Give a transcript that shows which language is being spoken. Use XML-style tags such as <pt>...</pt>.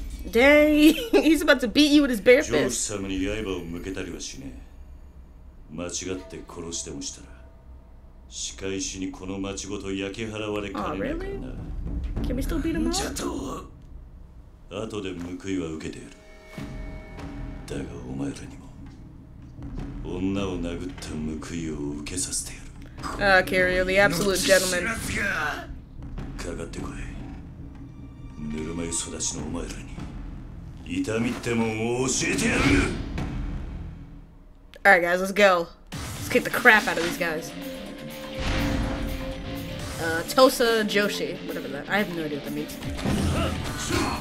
<en>Dang, he's about to beat you with his bare fist.</en> <ja>上司様に刃を向けたりはしねえ。間違って殺してもしたら。仕返しにこの町ごと焼き払われかねないからな。</ja> <en>Can we still beat him up?</en> <ja>じゃと。後で報いは受けてやる。だがお前らにも女を殴った報いを受けさせてやる。</ja> <en>Carry on, the absolute gentleman.</en> <ja>かかってこい。ぬるま湯育ちのお前らに痛みってもんを教えてやる。</ja> <en>Alright guys, let's go. Let's kick the crap out of these guys. Tosa Joshi, whatever that. I have no idea what that means.</en>